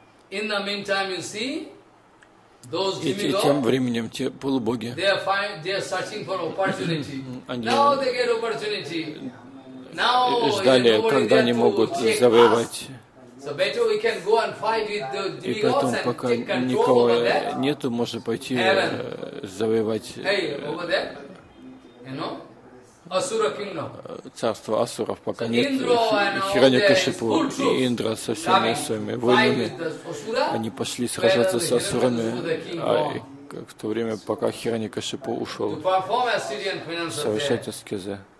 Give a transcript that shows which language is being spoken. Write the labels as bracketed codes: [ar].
[en] In the meantime, you see, those demigods. [ru] И тем временем те полубоги. [en] They are searching for opportunity. Now they get opportunity. Now [ru] ждали, когда они могут завоевать. [en] So better we can go and fight with the demigods. [ru] И поэтому, пока никого нету, можно пойти завоевать. [en] Hey, over there, you know, Asura kingdom. [ru] Царство Асуров пока нет, Хираньякашипу и Индра со всеми своими воинами, они пошли сражаться с Асурами, а в то время, пока Хираньякашипу ушел совершать аскезы.